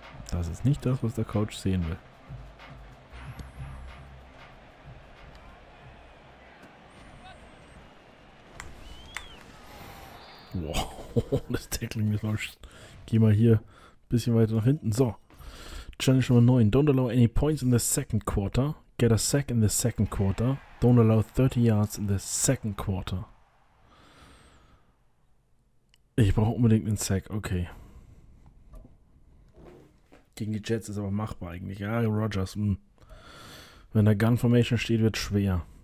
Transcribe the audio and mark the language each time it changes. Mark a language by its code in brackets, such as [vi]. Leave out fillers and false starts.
[de] Das ist nicht das, was der Coach sehen will. Wow, das Tackling ist auch. Geh mal hier ein bisschen weiter nach hinten. So. Challenge Nummer 9. [en] Don't allow any points in the second quarter. Get a sack in the second quarter. Don't allow 30 yards in the second quarter. [de] Ich brauche unbedingt einen Sack. Okay. Gegen die Jets ist aber machbar eigentlich. Ja, Rodgers. Wenn da Gun Formation steht, wird es schwer.